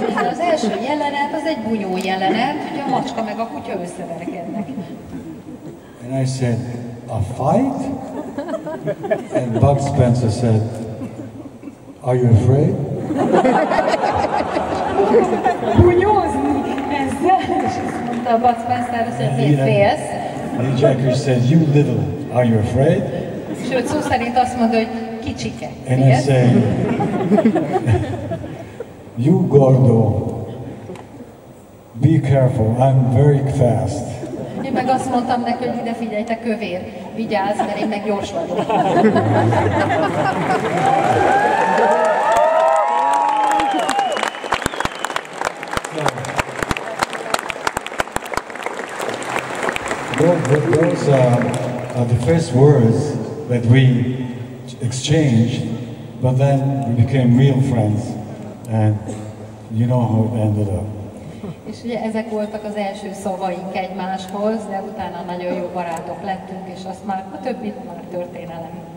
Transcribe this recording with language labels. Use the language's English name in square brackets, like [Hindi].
[Hungarian] Az első jelenet, az egy bunyó jelenet, hogy a macska meg a kutya összeverekednek. [English] And I said, a fight? And Bud Spencer said, are you afraid? [Hungarian] Bunyózni kezdve, és azt mondta a Bud Spencer, azt mondta, hogy félsz. [English] And Jack Rich said, you little, are you afraid? [Hungarian] Sőt, szó szerint azt mondta, hogy kicsike. [English] And I say, you gordo, be careful, I'm very fast. [Hungarian] Én meg azt mondtam neki, hogy ide figyelj, te kövér, vigyázz, mert én meg gyors vagyok. [English] Those are the first words that we exchanged, but then we became real friends, and you know how it ended up. [Hungarian] És ugye ezek voltak az első szavaink egymáshoz, de utána nagyon jó barátok lettünk, és azt már a többi már történelem.